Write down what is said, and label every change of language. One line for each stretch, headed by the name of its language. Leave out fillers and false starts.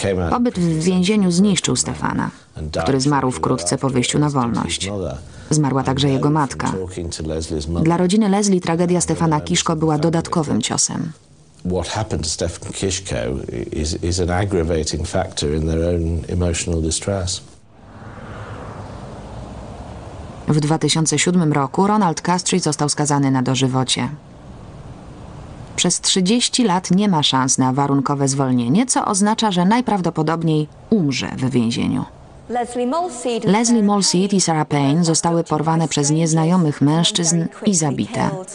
Polish: Pobyt w więzieniu zniszczył Stefana, który zmarł wkrótce po wyjściu na wolność. Zmarła także jego matka. Dla rodziny Leslie tragedia Stefana Kiszko była dodatkowym ciosem.
English: What happened to Stefan Kiszko is an aggravating factor in their own emotional distress.
Polish: W 2007 roku Ronald Castries został skazany na dożywocie. Przez 30 lat nie ma szans na warunkowe zwolnienie, co oznacza, że najprawdopodobniej umrze w więzieniu. Leslie Molseed i Sarah Payne zostały porwane przez nieznajomych mężczyzn i zabite.